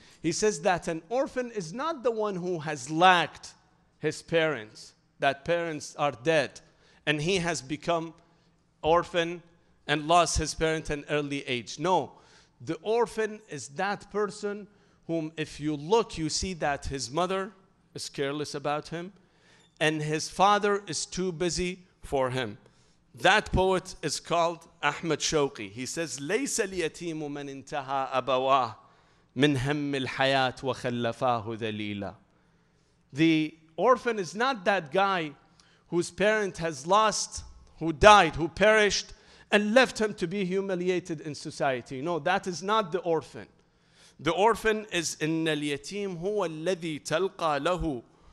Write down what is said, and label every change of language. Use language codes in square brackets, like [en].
[en] He says that an orphan is not the one who has lacked his parents, that parents are dead, and he has become orphan and lost his parent in early age. No, the orphan is that person whom, if you look, you see that his mother is careless about him and his father is too busy for him. That poet is called Ahmed Shawqi. He says, [ar] لَيْسَ الْيَتِيمُ مَنْ انْتَهَى أَبَوَاهُ مِنْ هَمِّ الْحَيَاةُ وَخَلَّفَاهُ ذَلِيلًا. [en] The orphan is not that guy whose parent has lost, who died, who perished, and left him to be humiliated in society. No, that is not the orphan. The orphan is, [ar] إِنَّ الْيَتِيمُ هُوَ الَّذِي تَلْقَى لَهُ